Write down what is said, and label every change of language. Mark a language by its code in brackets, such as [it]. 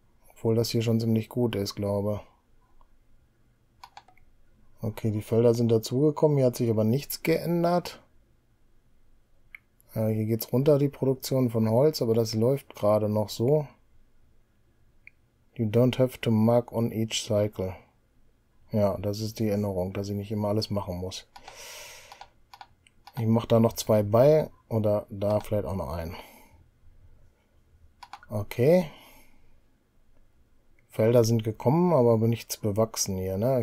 [de] Obwohl das hier schon ziemlich gut ist, glaube ich. Okay, die Felder sind dazugekommen. Hier hat sich aber nichts geändert. Ja, hier geht es runter, die Produktion von Holz, aber das läuft gerade noch so. [en] You don't have to mark on each cycle. [de] Ja, das ist die Erinnerung, dass ich nicht immer alles machen muss. Ich mache da noch zwei bei oder da vielleicht auch noch einen. Okay. Felder sind gekommen, aber nichts bewachsen hier, ne?